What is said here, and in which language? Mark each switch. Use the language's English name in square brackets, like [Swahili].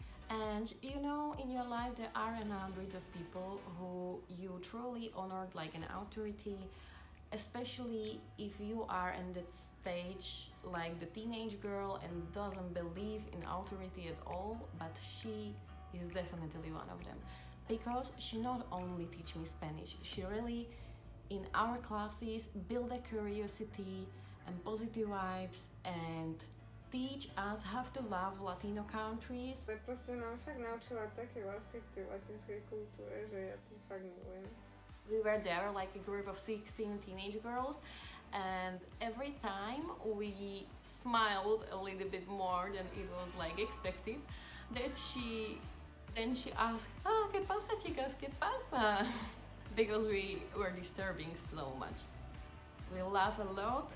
[English] And you know, in your life there are hundreds of people who you truly honored like an authority, especially if you are in that stage like the teenage girl and doesn't believe in authority at all. But she is definitely one of them, because she not only teach me Spanish, she really in our classes build a curiosity and positive vibes and teach us how to love Latino countries. [Slovak] Ale proste nám fakt naučila také láske k tej latinskej kultúre, že ja to fakt milujem. [English] We were there like a group of 16 teenage girls, and every time we smiled a little bit more than it was like expected, then she asked, [Spanish] "Oh, qué pasa, chicas, qué pasa?" [English] Because we were disturbing so much. We laugh a lot.